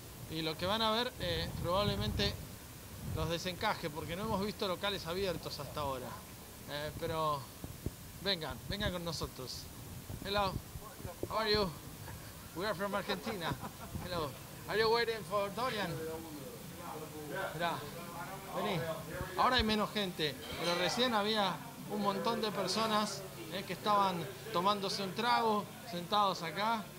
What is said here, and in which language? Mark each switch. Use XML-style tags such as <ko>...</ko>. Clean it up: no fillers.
<es>Y lo que van a ver probablemente los desencaje, porque no hemos visto locales abiertos hasta ahora. Pero vengan, vengan con nosotros.</es> <en>Hello, how are you? We are from Argentina. Hello, are you waiting for Dorian?</en> <es>Mira, vení. Ahora hay menos gente, pero recién había un montón de personas que estaban tomándose un trago, sentados acá.</es>